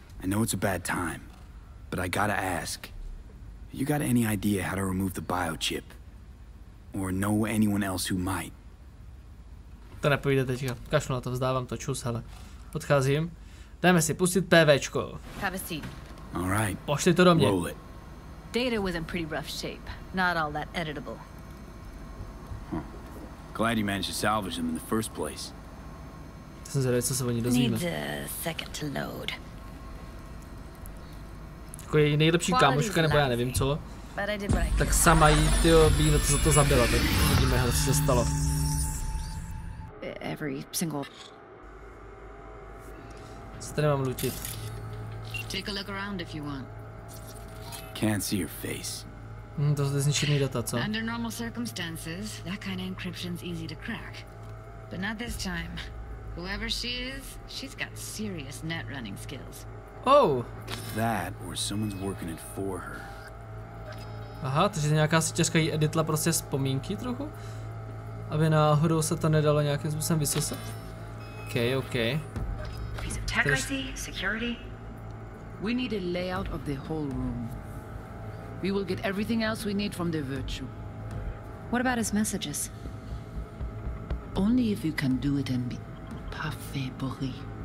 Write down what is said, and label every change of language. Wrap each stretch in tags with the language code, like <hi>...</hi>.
<en>I know it's a bad time, but I gotta ask. You got any idea how to remove the biochip? Or know anyone else who might.</en> <cs>To nepovíde teďka. Kašlu na to, vzdávám to, čus, hele. Odcházím. Dáme si pustit PVčko.</cs> <en>Have a seat. All right.</en> <cs>Pošli to do mě.</cs> <en>Roll it. Data was in pretty rough shape. Not all that editable. Glad you managed to salvage them in the first place.</en> <cs>Jsem zvědavý, co se o ní dozvíme.</cs> <en>Need a second to load.</en> <cs>Jako její nejlepší kámoška, nebo já nevím co. Tak sama jí, tyjo, by jí za to zabila, tak uvidíme, hele, co se stalo.</cs> <en>Every single...</en> <cs>Co tady mám lutit?</cs> <en>Take a look around if you want. Can't see your face.</en> <cs>To je zničený data, co?</cs> <en>Under normal circumstances, that kind of encryption's easy to crack. But not this time. Whoever she is, she's got serious net running skills. Oh! That, or someone's working it for her.</en> <cs>Aha, takže nějaká sítěřka jí editla prostě vzpomínky trochu? Aby náhodou se to nedalo nějakým způsobem vysosat? Okej, okej.</cs> <en>Piece of tech IC, security. We need a layout of the whole room. We will get everything else we need from the virtue. What about his messages? Only if you can do it and be parfait, Boris.</en>